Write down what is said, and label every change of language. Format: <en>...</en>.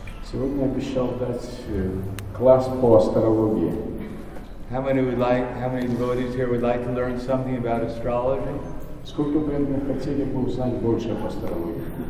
<ru>Сегодня обещал дать класс по астрологии.</ru> <en>How many devotees here would like to learn something about astrology?</en> <ru>Сколько бы вы хотели бы узнать больше об астрологии?</ru>